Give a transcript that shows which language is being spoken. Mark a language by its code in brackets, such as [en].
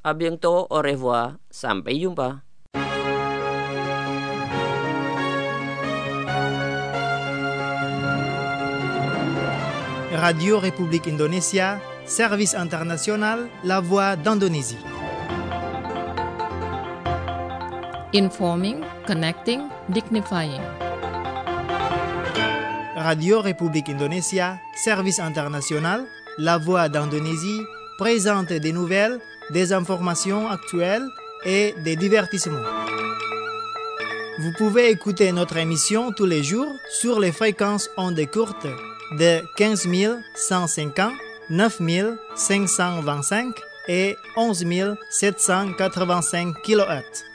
[fr] À bientôt, au revoir, [id] sampai jumpa. [fr] Radio République Indonésie, Service International, La Voix d'Indonésie. [en] Informing, connecting, dignifying. [fr] Radio République Indonésie, Service International, La Voix d'Indonésie présente des nouvelles, des informations actuelles et des divertissements. Vous pouvez écouter notre émission tous les jours sur les fréquences ondes courtes de 15 150, 9 525 et 11 785 kHz.